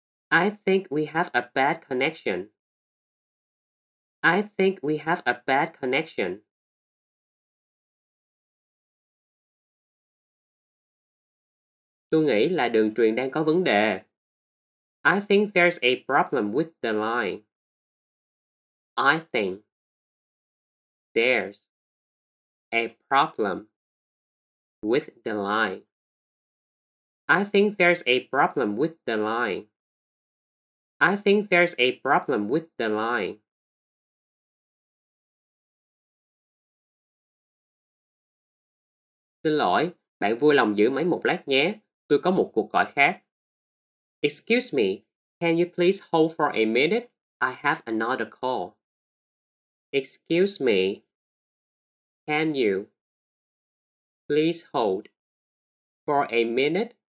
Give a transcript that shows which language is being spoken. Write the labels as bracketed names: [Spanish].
[English] I think we have a bad connection. I think we have a bad connection. [Vietnamese] Tôi nghĩ là đường truyền đang có vấn đề. [English] I think there's a problem with the line. I think there's a problem with the line. I think there's a problem with the line. I think there's a problem with the line. [Vietnamese] Xin lỗi, bạn vui lòng giữ máy một lát nhé. Tôi có một cuộc gọi khác. [English] Excuse me, can you please hold for a minute? I have another call. Excuse me, can you please hold for a minute?